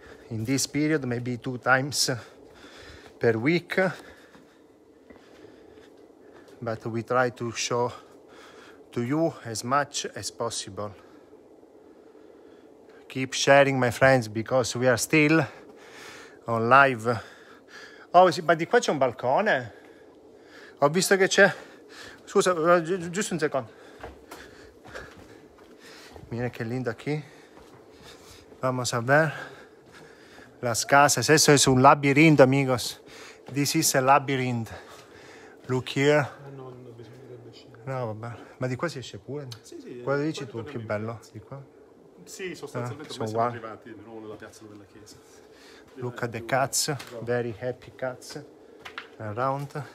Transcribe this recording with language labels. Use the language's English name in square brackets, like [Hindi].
[English] In this period, maybe two times per week. But we try to show to you as much as possible. Keep sharing, my friends, because we are still on live. [Italian] Oh, sì, ma di qua c'è un balcone. Ho visto che c'è... Scusa, giusto un secondo. [Spanish] Mira che lindo qui. Vamos a ver. Las casas. Esso es un labirinto, amigos. [English] This is a labyrinth. Look here. [Italian] No, vabbè. Ma di qua si esce pure? Sì, sì. Quello dici tu, più bello di qua? Sì, sostanzialmente siamo arrivati di nuovo nella piazza della chiesa. [English] Look at the cats, very happy cats around.